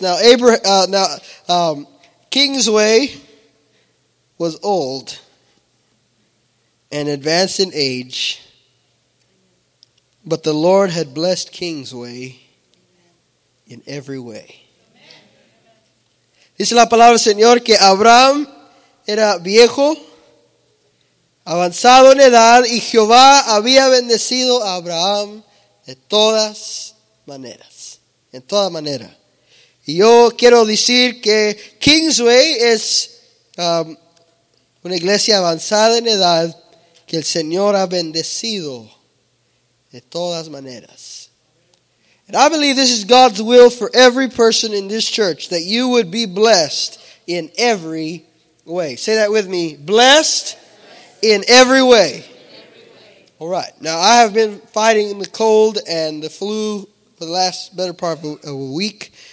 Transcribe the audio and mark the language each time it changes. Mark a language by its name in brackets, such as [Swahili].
[English] Now Kingsway was old and advanced in age, but the Lord had blessed Kingsway in every way. [Spanish] Dice la palabra del Señor que Abraham era viejo, avanzado en edad, y Jehová había bendecido a Abraham de todas maneras, en toda manera. Y yo quiero decir que Kingsway es una iglesia avanzada en edad que el Señor ha bendecido de todas maneras. [English] And I believe this is God's will for every person in this church, that you would be blessed in every way. Say that with me. Blessed in every way. All right. Now, I have been fighting the cold and the flu for the last better part of a week.